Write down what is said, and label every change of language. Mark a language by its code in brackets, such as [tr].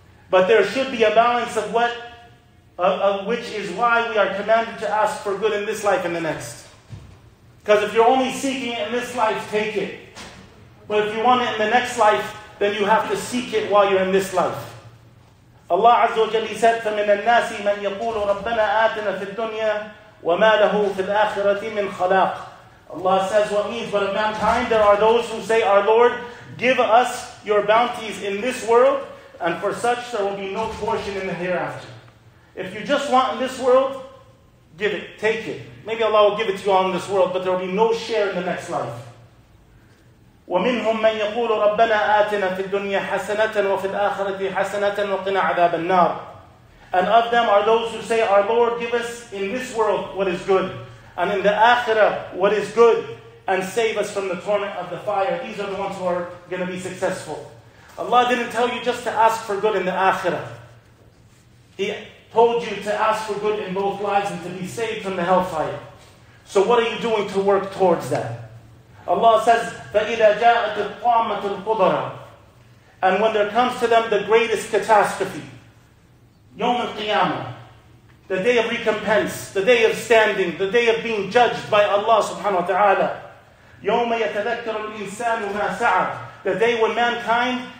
[en] But there should be a balance of what, of which is why we are commanded to ask for good in this life and the next. Because if you're only seeking it in this life, take it. But if you want it in the next life, then you have to seek it while you're in this life. Allah Azza wa Jalla said, [ar] فَمِنَ النَّاسِ مَنْ يَقُولُ رَبَّنَا آتِنَا فِي الدُّنْيَا وَمَا لَهُ فِي الْآخِرَةِ مِنْ خَلَاقٍ. [en] Allah says what means, but of mankind there are those who say, our Lord, give us your bounties in this world, and for such there will be no portion in the hereafter. If you just want in this world, give it, take it. Maybe Allah will give it to you all in this world, but there will be no share in the next life. [ar] وَمِنْهُمْ مَنْ يَقُولُ رَبَّنَا آتِنَا فِي الدُّنْيَا حَسَنَةً وَفِي الْآخِرَةِ حَسَنَةً وَقِنَا عَذَابَ النَّارِ. [en] And of them are those who say, our Lord, give us in this world what is good, and in the Akhirah what is good, and save us from the torment of the fire. These are the ones who are going to be successful. Allah didn't tell you just to ask for good in the Akhirah. He told you to ask for good in both lives and to be saved from the hellfire. So what are you doing to work towards that? Allah says, [ar] فَإِذَا جَاءَتِ الطَّامَّةُ الْقُدْرَةُ. [en] And when there comes to them the greatest catastrophe, [ar] يوم القيامة, [en] the day of recompense, the day of standing, the day of being judged by Allah subhanahu wa ta'ala, [ar] يوم يتذكر الإنسان ما سعى, [en] the day when mankind